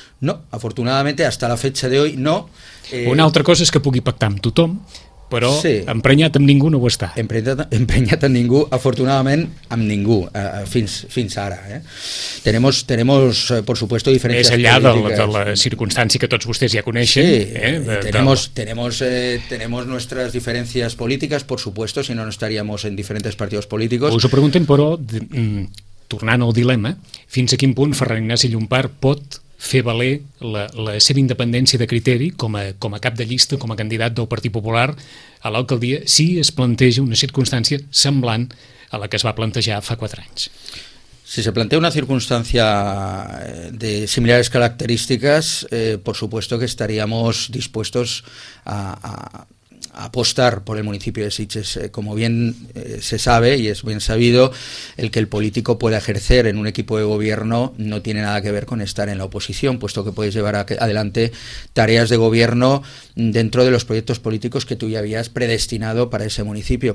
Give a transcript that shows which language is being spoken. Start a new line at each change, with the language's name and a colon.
Spanish: No, afortunadament, hasta la fecha de hoy, no.
Catalan: Una altra cosa és que pugui pactar amb tothom, però sí. Emprenyat amb ningú no ho està. Emprenyat amb ningú, afortunadament, amb ningú, fins ara.
Spanish: Tenemos, por supuesto, diferencias
Catalan: Es allà de la circumstància que tots vostès ja coneixen.
Spanish: Sí, tenemos nuestras diferencias políticas, por supuesto, si no estaríamos en diferentes partidos políticos.
Catalan: Us ho pregunten, però... tornant al dilema, fins a quin punt Ferran Ignasi Llompart pot fer valer la seva independència de criteri com a cap de llista, com a candidat del Partit Popular a l'alcaldia, si es planteja una circumstància semblant a la que es va plantejar fa 4 anys.
Spanish: Si se plantea una circunstancia de similares características, por supuesto que estaríamos dispuestos a apostar por el municipio de Sitges. Como bien se sabe y es bien sabido, el que el político pueda ejercer en un equipo de gobierno no tiene nada que ver con estar en la oposición, puesto que puedes llevar adelante tareas de gobierno dentro de los proyectos políticos que tú ya habías predestinado para ese municipio.